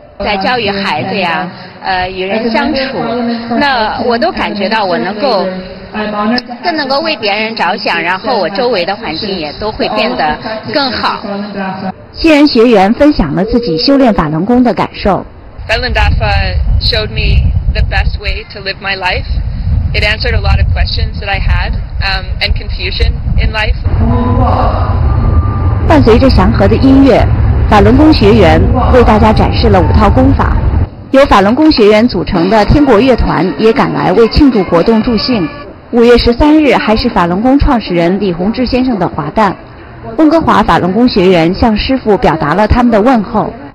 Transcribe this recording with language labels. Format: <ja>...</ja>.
<zh>在教育孩子呀，与人相处，那我都感觉到我能够更能够为别人着想，然后我周围的环境也都会变得更好。新人学员分享了自己修炼法轮功的感受。</zh> <en>法轮大法 showed me the best way to live my life. It answered a lot of questions that I had, and confusion in life.</en> <zh>伴随着祥和的音乐，法轮功学员为大家展示了五套功法。由法轮功学员组成的天国乐团也赶来为庆祝活动助兴。 5月13日还是法轮功创始人李洪志先生的华诞，温哥华法轮功学员向师父表达了他们的问候。</zh>